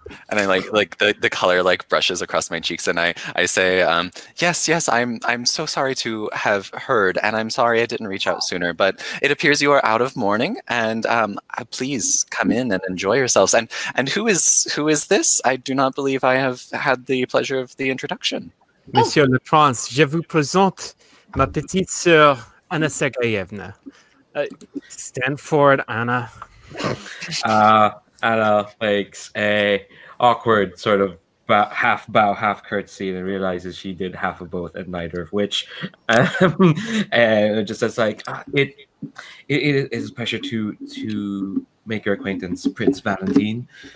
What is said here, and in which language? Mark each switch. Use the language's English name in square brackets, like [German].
[English] And I like the color like brushes across my cheeks, and I say, yes, I'm so sorry to have heard, and I'm sorry I didn't reach out sooner. But it appears you are out of mourning, and please come in and enjoy yourselves. And who is this? I do not believe I have had the pleasure of the introduction. [French] Monsieur le Prince, je vous présente ma petite sœur, Anna Sergeyevna. [English] Stand forward, Anna. Anna makes a awkward sort of half bow, half curtsy, and realizes she did half of both and neither of which. And just says, like, it is a pleasure to make your acquaintance, Prince Valentin.